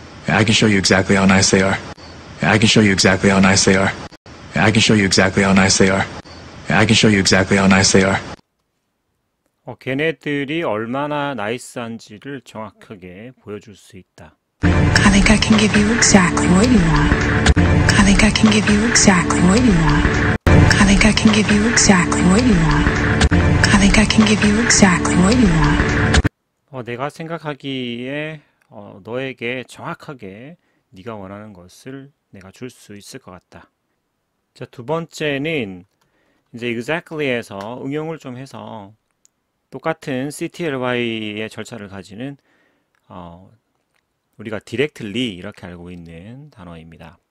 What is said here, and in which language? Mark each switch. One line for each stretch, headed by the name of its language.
English: Yeah, I can show you exactly how nice they are. Yeah, I can show you exactly how nice they are. Yeah, I can show you exactly how nice they are. Yeah, I can show you exactly how nice they are.
Korean: 걔네들이 얼마나 나이스한지를 정확하게 보여줄 수 있다.
English: I think I can give you exactly what you want. I think I can give you exactly what you want. I think I can give you exactly what you want. I think I can give you exactly what you want.
Korean: 내가 생각하기에 너에게 정확하게 네가 원하는 것을 내가 줄수 있을 것 같다. 자, 두 번째는 이제 exactly에서 응용을 좀 해서 똑같은 CTLY의 절차를 가지는 우리가 directly 이렇게 알고 있는 단어입니다.